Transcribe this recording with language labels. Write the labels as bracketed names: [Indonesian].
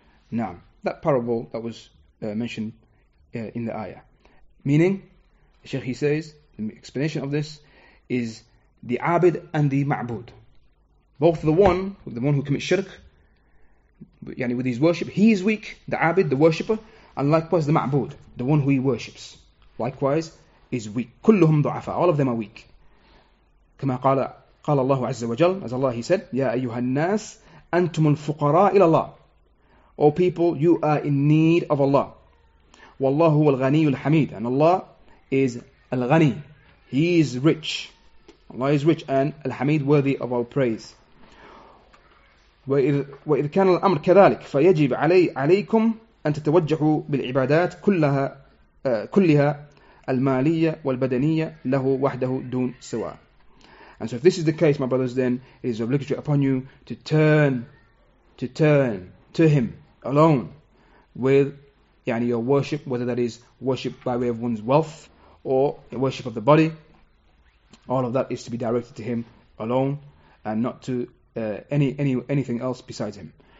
[English] Now, that parable that was mentioned in the ayah, meaning, Sheikh, he says, the explanation of this is the abid and the ma'bud. Both the one who commits shirk, with his worship, he is weak, the abid, the worshipper, and likewise the ma'bud, the one who he worships, likewise is weak. [Arabic] كلهم ضعفاء, [English] all of them are weak. [Arabic] كما قال الله عز وجل, [English] as Allah, he said, [Arabic] يا أيها الناس أنتم الفقراء إلى الله. [English] O people, you are in need of Allah. [Arabic] والله هو الغني الحميد, [English] and Allah is الغني, He is rich. Allah is rich and الحميد, worthy of our praise. [Arabic] وإذ كان الأمر كذلك فيجب عليكم أن تتوجهوا بالعبادات كلها المالية والبدنية له وحده دون سواء. [English] And so if this is the case, my brothers, then it is obligatory upon you to turn to Him alone with your worship, whether that is worship by way of one's wealth or the worship of the body. All of that is to be directed to Him alone and not to anything else besides Him.